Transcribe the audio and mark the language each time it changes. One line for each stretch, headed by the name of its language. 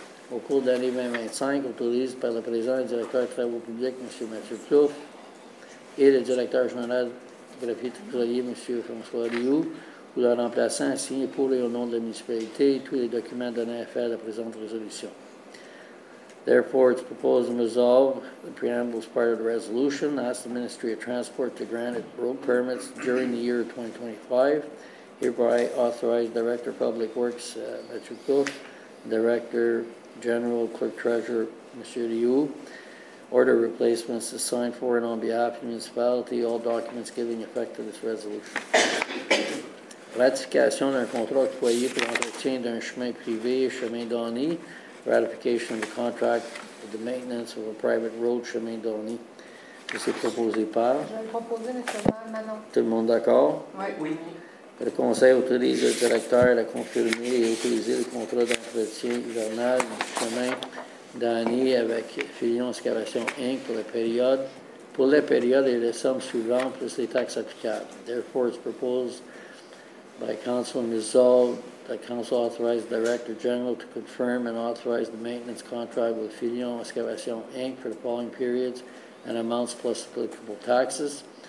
French: Au cours de l'année 2025, autorise par le président et directeur des travaux publics, M. Mathieu Plouffe, et le directeur général de graphie-trésorier, M. François Rioux, ou leur remplaçant, signé pour et au nom de la municipalité, tous les documents donnés à faire de la présente résolution.
English: Therefore, it's proposed and resolved, the preamble is part of the resolution, ask the Ministry of Transport to grant it road permits during the year 2025. Hereby authorize Director of Public Works, Mathieu Plouffe, Director General Clerk Treasurer Monsieur Liu, order replacements to sign for and on behalf of the municipality, all documents giving effect to this resolution.
French: Ratification d'un contrat octroyé pour l'entretien d'un chemin privé, chemin donné.
English: Ratification of the contract for the maintenance of a private road, chemin donné.
French: C'est proposé par? Je vais le proposer, Monsieur Manon. Tout le monde d'accord? Oui. Le conseil autorise le directeur à confirmer et autoriser le contrat d'entretien hivernal du chemin d'année avec Fillion Excavation Inc. Pour la période et les sommes suivantes plus les taxes applicables.
English: Therefore, it's proposed by Council and resolved that Council authorize the Director General to confirm and authorize the maintenance contract with Fillion Excavation Inc. for the following periods and amounts plus applicable taxes.